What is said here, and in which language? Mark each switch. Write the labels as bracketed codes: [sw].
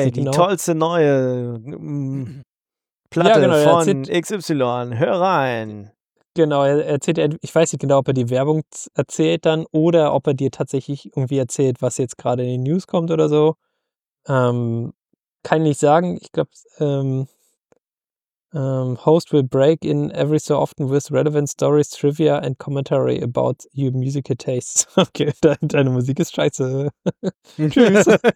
[de] tollste neue Platte von XY, hör rein. Genau, er erzählt, ich weiß nicht genau, ob er die Werbung erzählt dann oder ob er dir tatsächlich irgendwie erzählt, was jetzt gerade in den News kommt oder so. Kann ich nicht sagen. Ich glaube, [en] Host will break in every so often with relevant stories, trivia and commentary about your musical tastes. [de] Okay, deine Musik ist scheiße. Tschüss.